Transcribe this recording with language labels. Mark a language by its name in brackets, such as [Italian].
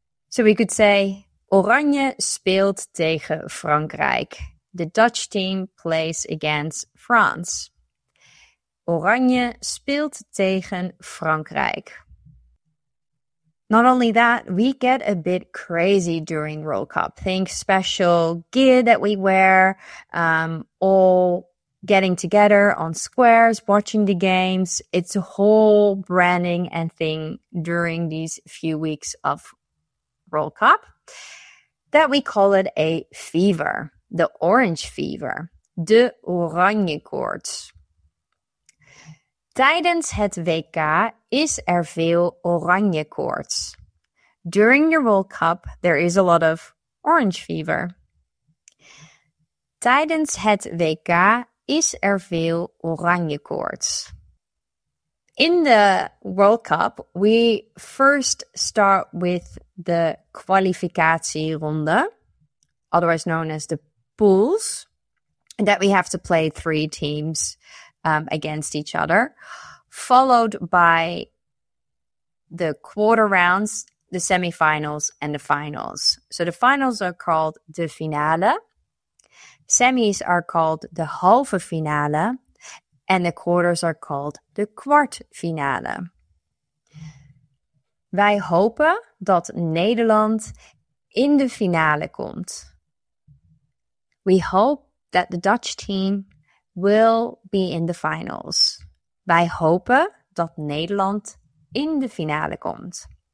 [English] So we could say [Dutch] Oranje speelt tegen Frankrijk. [English] The Dutch team plays against France. [Dutch] Oranje speelt tegen Frankrijk. [English] Not only that, we get a bit crazy during World Cup. Think special gear that we wear, all getting together on squares, watching the games. It's a whole branding and thing during these few weeks of World Cup that we call it a fever, the orange fever, de oranje koorts. [Dutch] Tijdens het WK is er veel oranje koorts. [English] During the World Cup, there is a lot of orange fever. [Dutch] Tijdens het WK is er veel oranje koorts. [English] In the World Cup, we first start with the kwalificatieronde, otherwise known as the pools, that we have to play three teams against each other, followed by the quarter rounds, the semifinals, and the finals. So the finals are called de finale, semis are called the halve finale, And the quarters are called de kwartfinale. [Dutch] Wij hopen dat Nederland in de finale komt. [English] We hope that the Dutch team will be in the finals. [Dutch] Wij hopen dat Nederland in de finale komt.